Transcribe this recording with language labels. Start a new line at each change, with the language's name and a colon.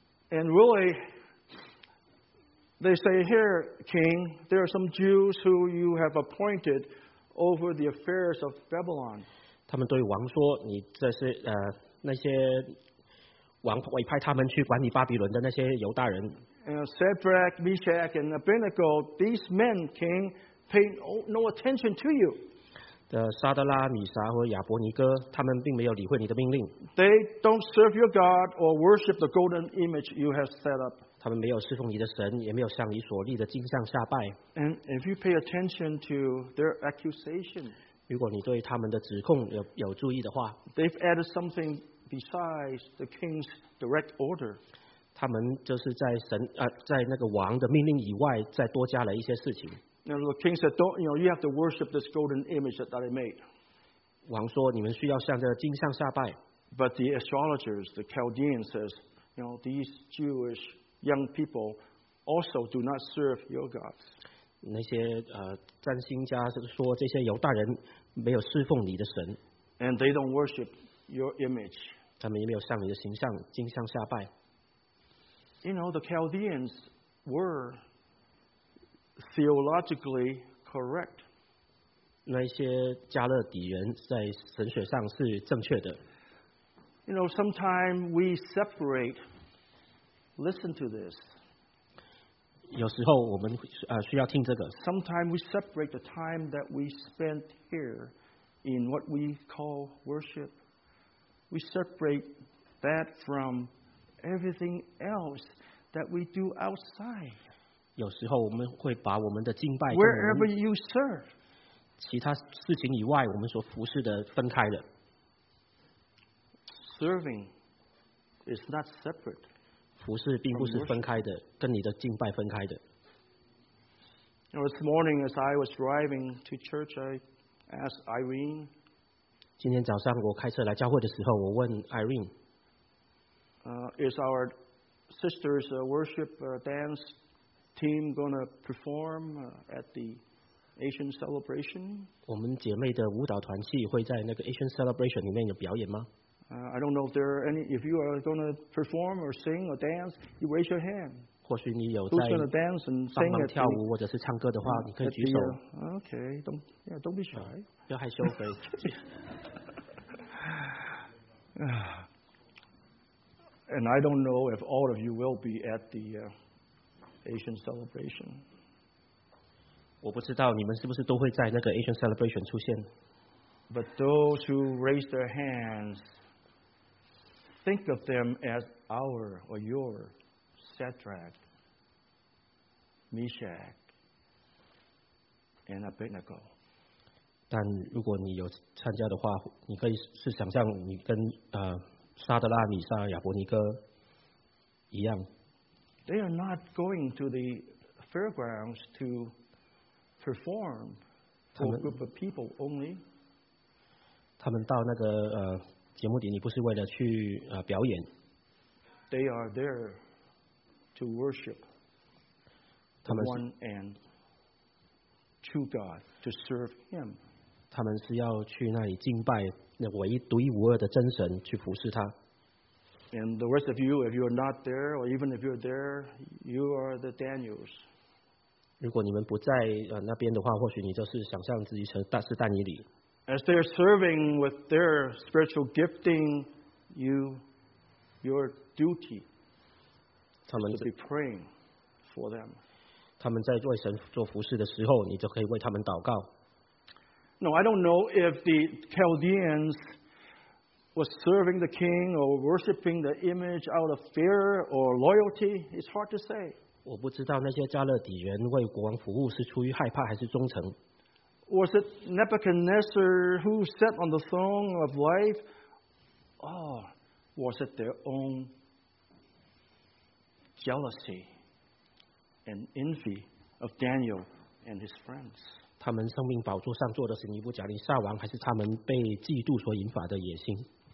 English: And really, they say, "Here, King, there are some Jews who you have appointed." Over the affairs of Babylon,
Chinese: 他们对王说：“你这是那些王委派他们去管理巴比伦的那些犹大人。
English: ”Shadrach, Meshach, and Abednego, these men, King, pay no attention to you.
Chinese: 撒德拉、米撒和亚伯尼哥，他们并没有理会你的命令。
English: They don't serve your God or worship the golden image you have set up.
Chinese: 他们没有侍奉你的神，也没有向你所立的金像下拜。
English: And if you pay attention to their accusation,
Chinese: 如果你对他们的指控有注意的话
English: ，they've added something besides the king's direct order.
Chinese: 他们就是在神在那个王的命令以外，再多加了一些事情。
English: And the king said, "Don't you have to worship this golden image that I made?"
Chinese: 王说你们需要向这个金像下拜。
English: But the astrologers, the Chaldeans, says, these Jewish young people also do not serve your gods.
Chinese: 那些占星家说这些犹大人没有侍奉你的神。
English: And they don't worship your image.
Chinese: 他们也没有向你的形象金像下拜。
English: The Chaldeans were theologically correct.
Chinese: 那些加勒底人在神学上是正确的。
English: Sometimes we separate. Listen to this.
Chinese: 有时候我们需要听这个。
English: Sometimes we separate the time that we spend here in what we call worship. We separate that from everything else that we do outside.
Chinese: 有时候我们会把我们的敬拜
English: ，wherever you serve，
Chinese: 其他事情以外，我们所服侍的分开的。
English: Serving is not separate.
Chinese: 服侍并不是分开的，跟你的敬拜分开的。
English: This morning, as I was driving to church, I asked Irene.
Chinese: 今天早上我开车来教会的时候，我问 Irene.
English: Is our sister's worship dance? Team gonna perform at the Asian celebration.
Chinese: 我们姐妹的舞蹈团系会在那个 Asian celebration 里面有表演吗？
English: I don't know if there are any. If you are gonna perform or sing or dance, you raise your hand.
Chinese: 或许你有
English: 在 who's gonna dance and sing
Chinese: 帮忙跳舞或者是唱歌的话，你可以举手。
English: Okay, don't be shy.
Chinese: 不要害羞，可以。
English: And I don't know if all of you will be at the. Asian celebration.
Chinese: 我不知道你们是不是都会在那个 Asian celebration 出现。
English: But those who raise their hands, think of them as our or your Shadrach, Meshach, and Abednego.
Chinese: 但如果你有参加的话，你可以是想象你跟沙德拉、米沙、亚伯尼哥一样。
English: They are not going to the fairgrounds to perform to a group of people only.
Chinese: 他们到那个节目点，你不是为了去表演。
English: They are there to worship the one and true God to serve Him.
Chinese: 他们是要去那里敬拜那唯一独一无二的真神，去服侍他。
English: And the rest of you, if you are not there, or even if you are there, you are the Daniels.
Chinese: 如果你们不在那边的话，或许你就是想象自己是但以理。
English: As they are serving with their spiritual gifting, you, your duty is to be praying for them.
Chinese: 他们在为神做服事的时候，你就可以为他们祷告。
English: No, I don't know if the Chaldeans was serving the king or worshiping the image out of fear or loyalty. It's hard to say.
Chinese: 我不知道那些加勒底人为国王服务是出于害怕还是忠诚。
English: Was it Nebuchadnezzar who sat on the throne of life, or was it their own jealousy and envy of Daniel and his friends?
Chinese: 他们生命宝座上坐的是尼布甲尼撒王，还是他们被嫉妒所引发的野心？